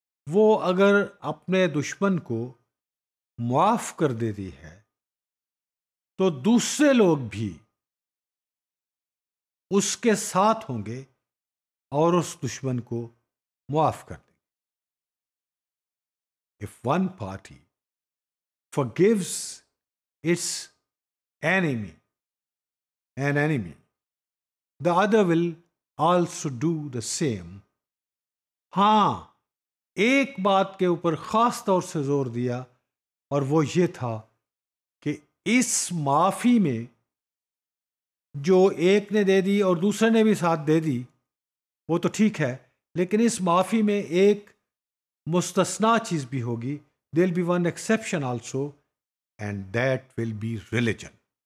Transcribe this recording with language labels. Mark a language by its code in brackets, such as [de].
[ur] وہ اگر اپنے دشمن کو معاف کر دیتی ہے تو دوسرے لوگ بھی اس کے ساتھ ہوں گے اور اس دشمن کو معاف کر دیں گے. [en] If one party forgives its enemy, an enemy, the other will also do the same. [ur] ہاں ایک بات کے اوپر خاص طور سے زور دیا اور وہ یہ تھا کہ اس معافی میں جو ایک نے دے دی اور دوسرے نے بھی ساتھ دے دی وہ تو ٹھیک ہے, لیکن اس معافی میں ایک مستثنا چیز بھی ہوگی, [en] They'll be one exception also, and that will be religion.